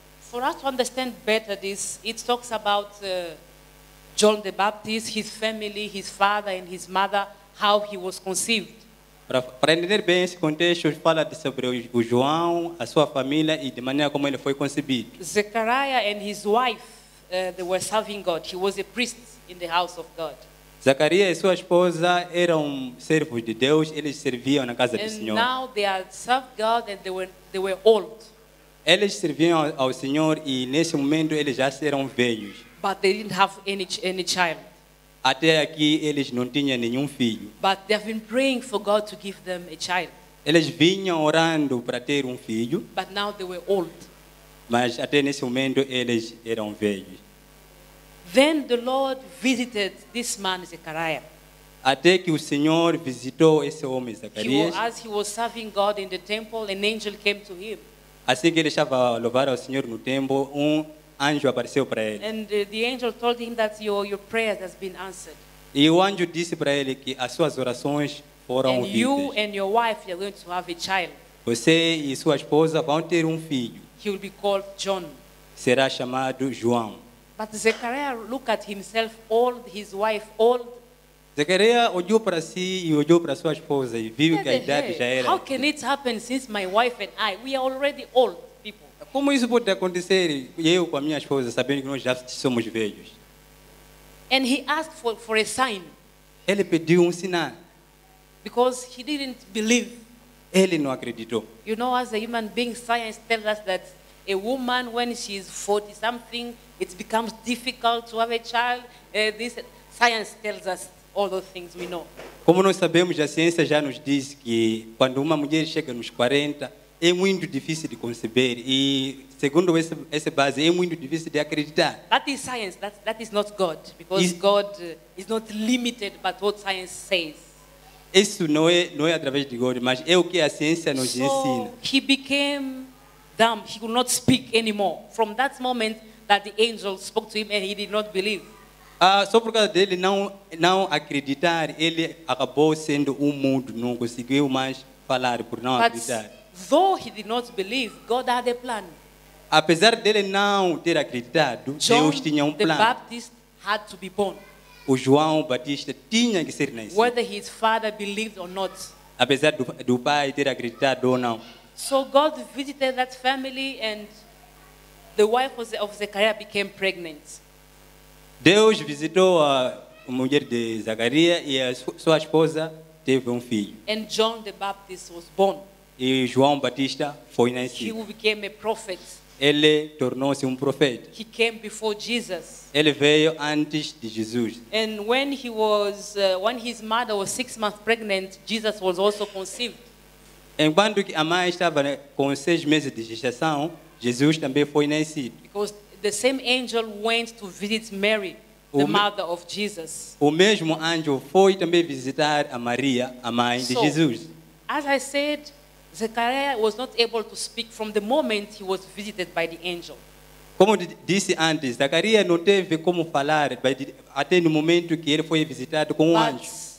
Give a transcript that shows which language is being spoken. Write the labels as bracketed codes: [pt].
[en] For us to understand better this, it talks about John the Baptist, his family, his father and his mother, how he was conceived. [pt] Para entender bem esse contexto, fala sobre o João, a sua família e de maneira como ele foi concebido. [en] Zechariah and his wife, they were serving God. He was a priest in the house of God. [pt] Zacarias e sua esposa eram servos de Deus, eles serviam na casa [en] and [pt] do Senhor. [en] Now they had served God and they were old. [pt] Eles serviam ao Senhor e nesse momento eles já eram velhos. [en] But they didn't have any child. [pt] Até aqui eles não tinham nenhum filho. [en] But they have been praying for God to give them a child. [pt] Eles vinham orando para ter filho. [en] But now they were old. [pt] Mas até nesse momento eles eram velhos. [en] Then the Lord visited this man, Zechariah. [pt] Até que o Senhor visitou esse homem, Zacarias. [en] As he was serving God in the temple, an angel came to him. [pt] Assim que ele estava a louvar ao Senhor no templo, anjo apareceu para ele. [en] And the angel told him that your prayers has been answered. [pt] E o anjo disse para ele que as suas orações foram ouvidas. [en] And you and your wife are going to have a child. [pt] Você e sua esposa vão ter filho. [en] He will be called John. [pt] Será chamado João. [en] But Zechariah looked at himself old, his wife old. [pt] Zechariah olhou para si e olhou para sua esposa e viu que a idade já era. [en] How can it happen since my wife and I, we are already old people? [pt] Como isso pode acontecer eu com a minha esposa sabendo que nós já somos velhos? [en] And he asked for a sign. [pt] Ele pediu sinal. [en] Because he didn't believe. [pt] Ele não acreditou. [en] You know, as a human being, science tells us that a woman, when she is 40 something, it becomes difficult to have a child. This science tells us all those things we know. [pt] Como nós sabemos, a ciência já nos diz que quando uma mulher chega nos 40, é muito difícil de conceber. E segundo essa base, é muito difícil de acreditar. [en] That is science. That is not God, because God is not limited by what science says. [pt] Isso não é através de God, mas é o que a ciência nos ensina. [en] So he became dumb. He could not speak anymore. From that moment that the angel spoke to him and he did not believe. [pt] Só por causa dele não acreditar, ele acabou sendo mudo, não conseguiu mais falar por não acreditar. [en] Though he did not believe, God had a plan. [pt] Apesar dele não ter acreditado, Deus tinha plano. [en] The Baptist had to be born. [pt] O João Batista tinha que ser nascido. [en] Whether his father believed or not. [pt] Apesar do pai ter acreditado ou não. [en] So God visited that family and the wife of Zechariah became pregnant. [pt] Deus visitou a mulher de Zacarias e a sua esposa teve filho. [en] And John the Baptist was born. [pt] E João Batista foi nascido. [en] He became a prophet. [pt] Ele tornou-se profeta. [en] He came before Jesus. [pt] Ele veio antes de Jesus. [en] And when he was, when his mother was 6 months pregnant, Jesus was also conceived. [pt] Enquanto a mãe estava com 6 meses de gestação, Jesus também foi nascido. [en] Because the same angel went to visit Mary, the mother of Jesus. [pt] O mesmo anjo foi também visitar a Maria, a mãe de Jesus. [en] As I said, Zechariah was not able to speak from the moment he was visited by the angel. [pt] Como disse antes, Zacarias não teve como falar até no momento que ele foi visitado com um anjo.